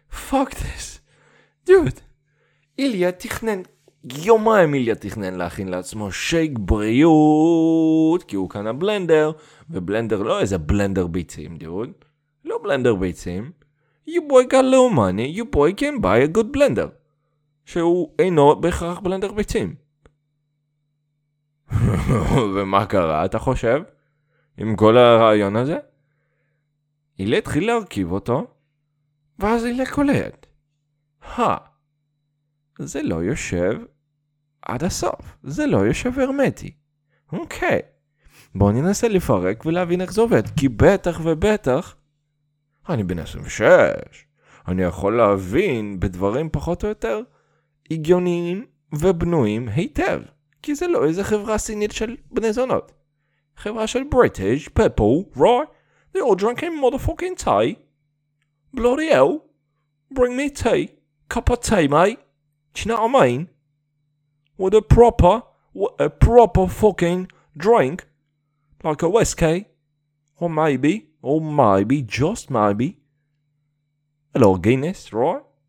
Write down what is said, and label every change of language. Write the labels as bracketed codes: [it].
[en] Fuck this. [he] Dude, איליה תכנן, יומיים איליה תכנן להכין לעצמו שייק בריאות, כי הוא קנה בלנדר, ובלנדר לא איזה בלנדר ביצים, דוד. לא בלנדר ביצים. [en] You boy got low money, you boy can buy a good blender. [he] שהוא אינו בהכרח בלנדר ביצים. ומה קרה, אתה חושב? עם כל הרעיון הזה? איליה התחיל להרכיב אותו, ואז איליה קולט. זה לא יושב עד הסוף, זה לא יושב הרמטי. אוקיי, בוא ננסה לפרק ולהבין איך זה עובד, כי בטח ובטח, אני בן 26, אני יכול להבין בדברים פחות או יותר הגיוניים ובנויים היטב, כי זה לא איזה חברה סינית של בני זונות. חברה של [en] בריטיש, פפו, רוי, they all drunk in motherfucking tea, bloody hell, bring me tea, cup of tea, mate, do you know what I mean? With a proper fucking drink, like a whiskey, or maybe, just maybe, a little Guinness, right?